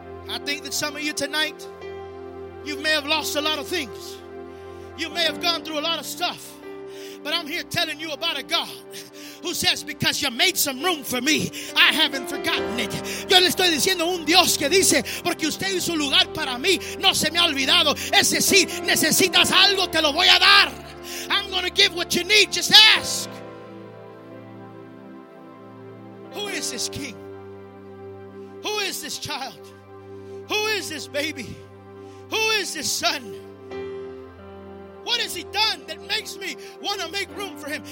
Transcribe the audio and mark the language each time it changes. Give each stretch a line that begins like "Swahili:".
English: I think that some of you tonight, you may have lost a lot of things. You may have gone through a lot of stuff. But I'm here telling you about a God who says, because you made some room for me, I haven't forgotten it.
Spanish: Yo le estoy diciendo un Dios que dice, porque usted hizo lugar para mí, no se me ha olvidado. Es decir, necesitas algo, te lo voy a dar.
English: I'm going to give what you need, just ask. Who is this king? Who is this child? Who is this baby? Who is this son? What has he done that makes me want to make room for him?